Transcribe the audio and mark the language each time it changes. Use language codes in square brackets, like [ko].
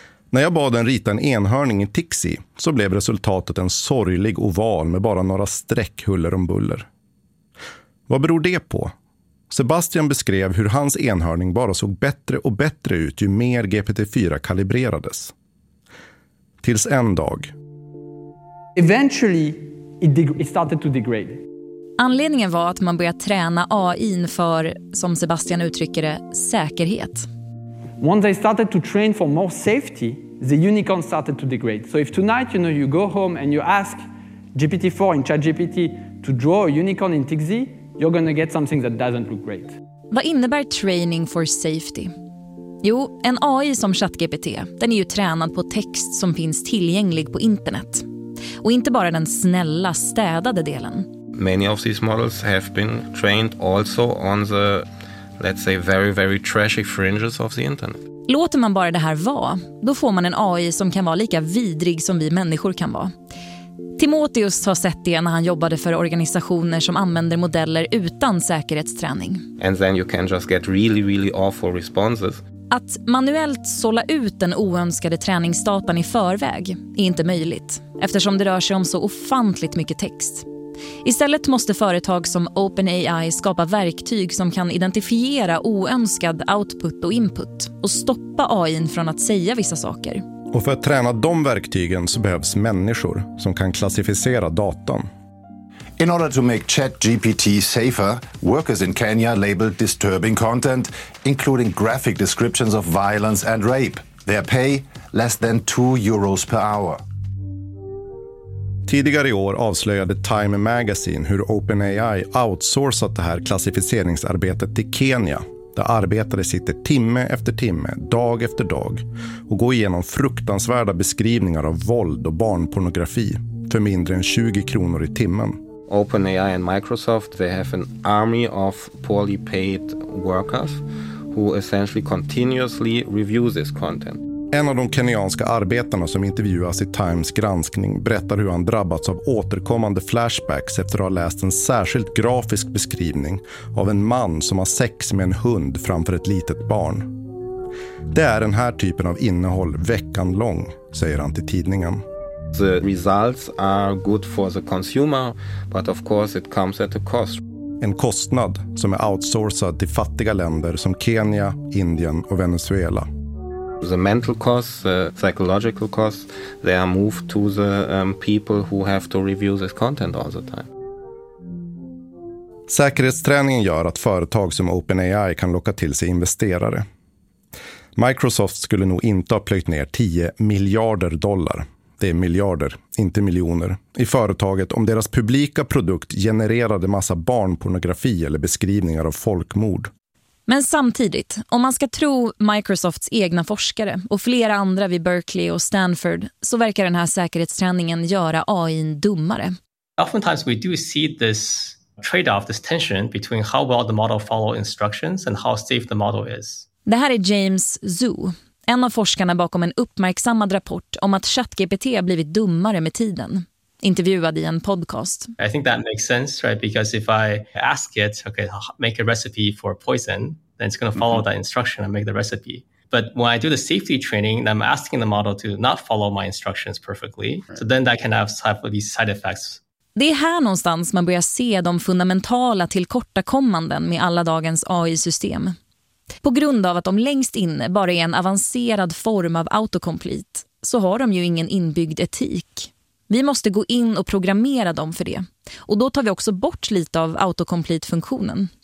[sv] När jag bad den rita en enhörning i Tixi så blev resultatet en sorglig oval med bara några streck huller om buller. Vad beror det på? Sebastian beskrev hur hans enhörning bara såg bättre och bättre ut ju mer GPT-4 kalibrerades. Tills en dag. [en] Eventually it started to degrade. [sv] Anledningen var att man började träna AI:n för, som Sebastian uttrycker det, säkerhet. [en] Once I started to train for more safety, the unicorn started to degrade. So if tonight you know you go home and you ask GPT-4 in ChatGPT to draw a unicorn in Tixi, you're going to get something that doesn't look great. [sv] Vad innebär [en] training for safety? [sv] Jo, en AI som ChatGPT, den är ju tränad på text som finns tillgänglig på internet. Och inte bara den snälla, städade delen. [en] Many of these models have been trained also on the, let's say, very, very trashy fringes of the internet. [sv] Låter man bara det här vara, då får man en AI som kan vara lika vidrig som vi människor kan vara. Timotheus har sett det när han jobbade för organisationer som använder modeller utan säkerhetsträning. [en] And then you can just get really, really awful responses. [sv] Att manuellt sålla ut den oönskade träningsdatan i förväg är inte möjligt, eftersom det rör sig om så ofantligt mycket text. Istället måste företag som OpenAI skapa verktyg som kan identifiera oönskad output och input och stoppa AI:n från att säga vissa saker. Och för att träna de verktygen så behövs människor som kan klassificera datan. [en] In order to make ChatGPT safer, workers in Kenya labeled disturbing content, including graphic descriptions of violence and rape. Their pay, less than 2 euros per hour. [sv] Tidigare i år avslöjade Time Magazine hur OpenAI outsourcat det här klassificeringsarbetet till Kenya, där arbetare sitter timme efter timme, dag efter dag, och går igenom fruktansvärda beskrivningar av våld och barnpornografi för mindre än 20 kronor i timmen. [en] OpenAI and Microsoft, they have an army of poorly paid workers who essentially continuously review this content. [sv] En av de kenyanska arbetarna som intervjuas i Times granskning berättar hur han drabbats av återkommande flashbacks efter att ha läst en särskilt grafisk beskrivning av en man som har sex med en hund framför ett litet barn. Det är den här typen av innehåll veckan lång, säger han till tidningen. [en] The results are good for the consumer, but of course it comes at a cost. [sv] En kostnad som är outsourcad till fattiga länder som Kenya, Indien och Venezuela. [en] The mental costs, the psychological costs, they are moved to the people who have to review this content all the time. [sv] Säkerhetsträningen gör att företag som OpenAI kan locka till sig investerare. Microsoft skulle nog inte ha plöjt ner 10 miljarder dollar det är miljarder, inte miljoner, i företaget om deras publika produkt genererade massa barnpornografi eller beskrivningar av folkmord. Men samtidigt, om man ska tro Microsofts egna forskare och flera andra vid Berkeley och Stanford, så verkar den här säkerhetsträningen göra AI:n dummare. [en] Oftentimes we do see this trade-off, this tension between how well the model follows instructions and how safe the model is. [sv] Det här är James Zhu, en av forskarna bakom en uppmärksammad rapport om att ChatGPT blivit dummare med tiden, intervjuad i en podcast. [en] I think that makes sense, right? Because if I ask it, okay, make a recipe for poison, then it's going to follow that instruction and make the recipe. But when I do the safety training, I'm asking the model to not follow my instructions perfectly. Right. So then that can have these side effects. [sv] Det är här någonstans man börjar se de fundamentala tillkortakommanden med alla dagens AI-system. På grund av att de längst inne bara är en avancerad form av autocomplete så har de ju ingen inbyggd etik. Vi måste gå in och programmera dem för det. Och då tar vi också bort lite av autocomplete-funktionen.